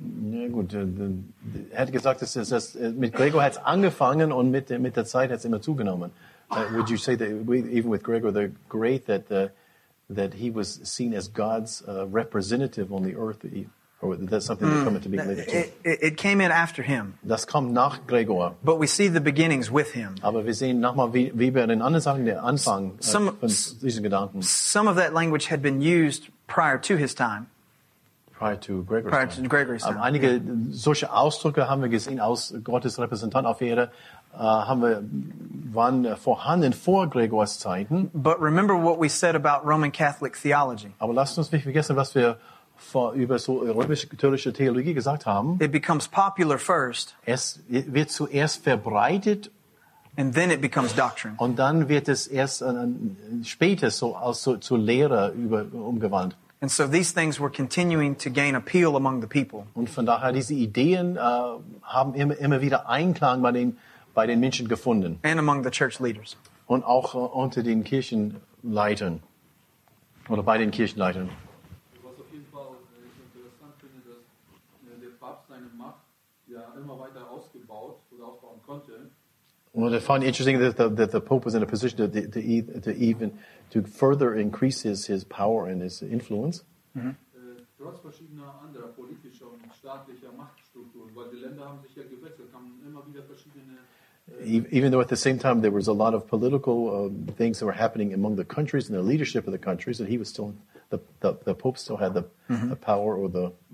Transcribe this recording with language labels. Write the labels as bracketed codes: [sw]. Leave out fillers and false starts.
[de] Ja gut, er hat gesagt, dass mit Gregor hat es angefangen und mit der Zeit hat es immer zugenommen. [en] Would you say that even with Gregor the Great that he was seen as God's representative on the earth, or that's something that came to be related to? It came in after him. [de] Das kam nach Gregor. [en] But we see the beginnings with him. [de] Aber wir sehen nochmal wie bei den anderen Sachen der Anfang von diesen Gedanken. [en] Some of that language had been used prior to his time. Prior to Gregory's time. [de] Einige solche Ausdrücke haben wir gesehen aus Gottes Repräsentant auf Erde, waren vorhanden vor Gregors Zeiten. [en] But remember what we said about Roman Catholic theology. [de] Aber lasst uns nicht vergessen, was wir über so römisch-katholische Theologie gesagt haben. [en] It becomes popular first. [de] Es wird zuerst verbreitet. [en] And then it becomes doctrine. [de] Und dann wird es erst später so als zu Lehre umgewandelt. [en] And so these things were continuing to gain appeal among the people. [de] Und von daher diese Ideen haben immer wieder Einklang bei den Menschen gefunden. [en] And among the church leaders. [de] Und auch unter den Kirchenleitern oder bei den Kirchenleitern. Was auf jeden Fall interessant finde, dass der Papst seine Macht ja immer weiter ausgebaut oder aufbauen konnte. [en] Well, I find it interesting that the Pope was in a position to further increase his power and his influence. [de] Trotz verschiedener anderer politischer und staatlicher Machtstrukturen, weil die Länder haben sich ja gewechselt, kamen immer wieder verschiedene. [en] Even though at the same time there was a lot of political things that were happening among the countries and the leadership of the countries, and he was still the Pope still had the power or the